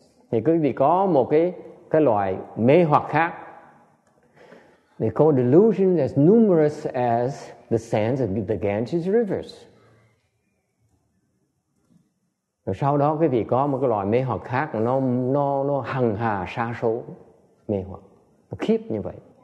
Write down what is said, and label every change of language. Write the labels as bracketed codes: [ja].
[vi] Thì quý vị có một cái loại mê hoặc khác. [en] They call delusions as numerous as the sands of the Ganges rivers. [vi] Rồi sau đó quý vị có một cái loại mê hoặc khác, nó hằng hà sa số mê hoặc, nó khiếp như vậy.